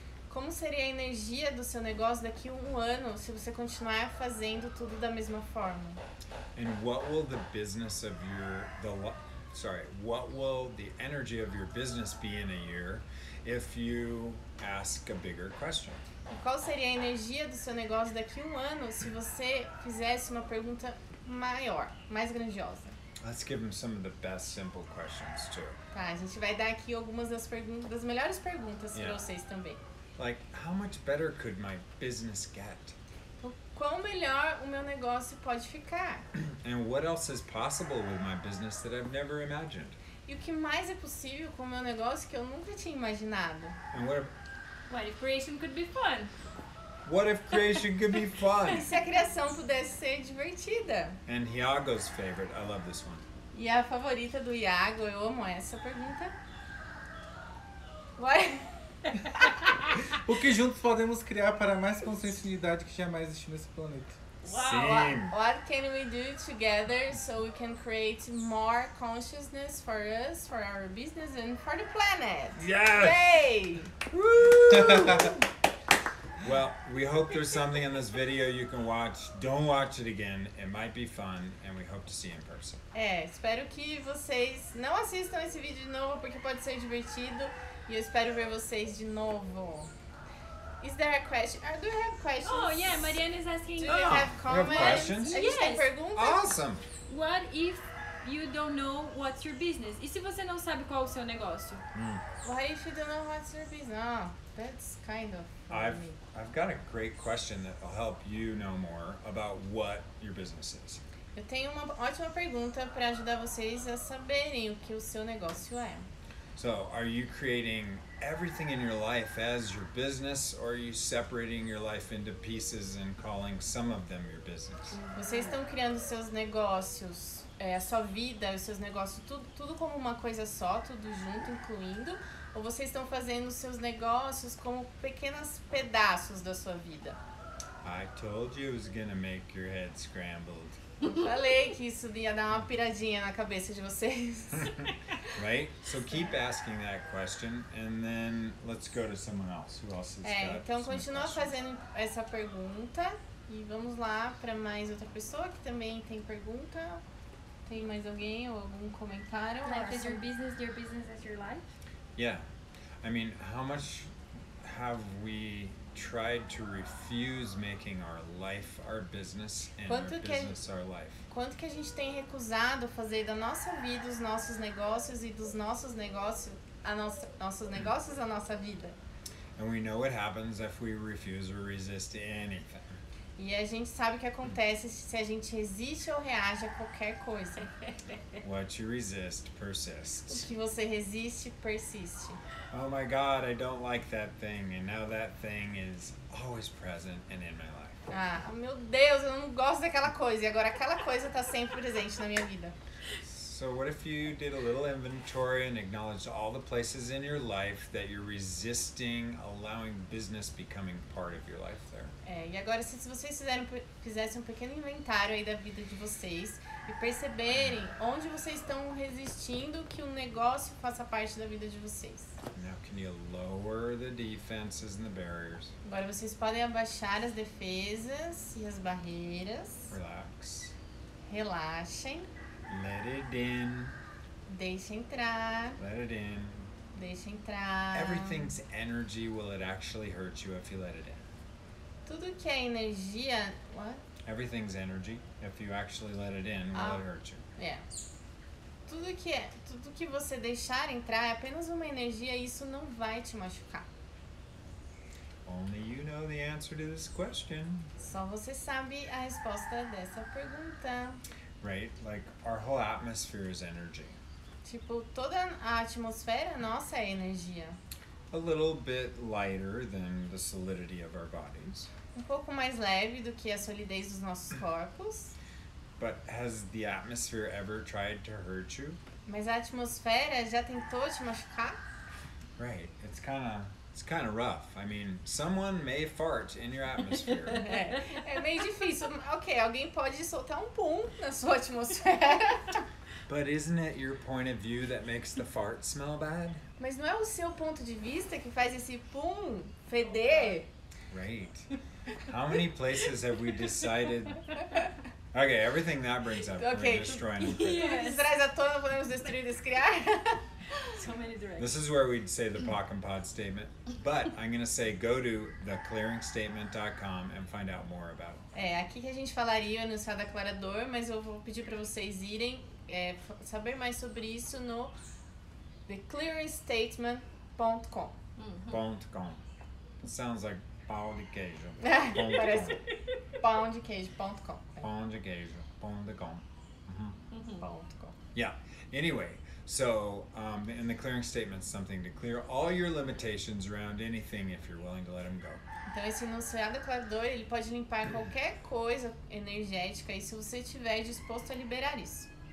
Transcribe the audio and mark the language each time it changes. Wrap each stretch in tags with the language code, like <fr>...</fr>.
<pt>Como seria a energia do seu negócio daqui a um ano se você continuar fazendo tudo da mesma forma?</pt> <en>And what will the business of your what will the energy of your business be in a year if you ask a bigger question?</en> <pt>E qual seria a energia do seu negócio daqui a um ano se você fizesse uma pergunta maior, mais grandiosa?</pt> <en>Let's give them some of the best simple questions too.</en> <pt>Tá, a gente vai dar aqui algumas das perguntas, das melhores perguntas para vocês também.</pt> <en>Like, how much better could my business get?</en> <pt>Quão melhor o meu negócio pode ficar?</pt> <en>And what else is possible with my business that I've never imagined?</en> <pt>E o que mais é possível com o meu negócio que eu nunca tinha imaginado?</pt> <en>And what if creation could be fun? What if creation could be fun?</en> <pt>E se a criação pudesse ser divertida?</pt> <en>And Iago's favorite, I love this one.</en> <pt>E a favorita do Iago, eu amo essa pergunta.</pt> <en>What?</en> <pt>O que juntos podemos criar para mais consciência e unidade que jamais existiu nesse planeta?</pt> <en>Wow. What can we do together so we can create more consciousness for us, for our business and for the planet? Yes! Yay! Well, we hope there's something in this video you can watch. Don't watch it again. It might be fun, and we hope to see you in person.</en> <pt>É, espero que vocês não assistam esse vídeo de novo porque pode ser divertido. E eu espero ver vocês de novo.</pt> <en>Is there a question? Do you have questions? Oh, yeah, Mariana is asking. Do you have comments? You have questions? Yes. Awesome. What if you don't know what's your business?</en> <pt>E se você não sabe qual é o seu negócio?</pt> <en>Why if you don't know what's your business? Oh, that's kind of funny. I've got a great question that will help you know more about what your business is.</en> <pt>Eu tenho uma ótima pergunta para ajudar vocês a saberem o que o seu negócio é.</pt> <en>So, are you creating everything in your life as your business, or are you separating your life into pieces and calling some of them your business?</en> <pt>Vocês estão criando seus negócios, a sua vida, os seus negócios, tudo como uma coisa só, tudo junto, incluindo, ou vocês estão fazendo os seus negócios como pequenos pedaços da sua vida?</pt> <en>I told you it was gonna make your head scrambled.</en> <pt>Falei que isso ia dar uma piradinha na cabeça de vocês.</pt> <en>Right? So keep asking that question and then let's go to someone else. Who else has got</en> <pt>Então continua fazendo essa pergunta e vamos lá para mais outra pessoa que também tem pergunta. Tem mais alguém ou algum comentário?</pt> <en>Life is your business is your life? Yeah. I mean, how much have we tried to refuse making our life our business and our life.</en> <pt>Quanto que a gente tem recusado fazer da nossa vida os nossos negócios e dos nossos negócios a nossos negócios a nossa vida?</pt> <en>And we know what happens if we refuse or resist anything.</en> <pt>E a gente sabe o que acontece se a gente resiste ou reage a qualquer coisa.</pt> <en>What you resist persists.</en> <pt>O que você resiste persiste.</pt> <en>Oh my God, I don't like that thing, and now that thing is always present and in my life.</en> <pt>Ah, meu Deus, eu não gosto daquela coisa, e agora aquela coisa está sempre presente na minha vida.</pt> <en>So what if you did a little inventory and acknowledged all the places in your life that you're resisting allowing business becoming part of your life there?</en> <pt>E agora se vocês fizessem um pequeno inventário aí da vida de vocês e perceberem onde vocês estão resistindo que um negócio faça parte da vida de vocês.</pt> <en>Now can you lower the defenses and the barriers?</en> <pt>Agora vocês podem abaixar as defesas e as barreiras.</pt> <en>Relax.</en> <pt>Relaxem.</pt> <en>Let it in.</en> <pt>Deixa entrar.</pt> <en>Let it in.</en> <pt>Deixa entrar.</pt> <en>Everything's energy. Will it actually hurt you if you let it in?</en> <pt>Tudo que é energia.</pt> <en>What? Everything's energy. If you actually let it in, will it hurt you? Yeah.</en> <pt>Tudo que você deixar entrar é apenas uma energia e isso não vai te machucar.</pt> <en>Only you know the answer to this question.</en> <pt>Só você sabe a resposta dessa pergunta.</pt> <en>Right, like our whole atmosphere is energy.</en> <pt>Tipo, toda a atmosfera nossa é energia.</pt> <en>A little bit lighter than the solidity of our bodies.</en> <pt>Um pouco mais leve do que a solidez dos nossos corpos.</pt> <en>But has the atmosphere ever tried to hurt you?</en> <pt>Mas a atmosfera já tentou te machucar?</pt> <en>Right, it's kind of rough. I mean, someone may fart in your atmosphere.</en> <pt>É meio difícil. Okay, alguém pode soltar um pum na sua atmosfera.</pt> <en>But isn't it your point of view that makes the fart smell bad?</en> <pt>Mas não é o seu ponto de vista que faz esse pum feder?</pt> <en>Right. How many places have we decided? Okay, everything that brings up, we're destroying it. Yes.</en> <pt>Traz à tona, podemos destruir, descriar.</pt> <en>So many directions. This is where we'd say the pock and pod statement, but I'm going to say go to theclearingstatement.com and find out more about it.</en> <pt>Aqui que a gente falaria o enunciado aclarador, mas eu vou pedir para vocês irem saber mais sobre isso no theclearingstatement.com.</pt> <en>.com. Sounds like pão de queijo.</en> <pt>Parece pão de queijo.com. Pão de queijo. Pão de com.</pt> <en>.com. Yeah. Anyway. So, and the clearing statement is something to clear all your limitations around anything if you're willing to let them go.</en> <pt>Então, esse enunciado aclarador, ele pode limpar qualquer coisa energética e se você estiver disposto a liberar isso.</pt>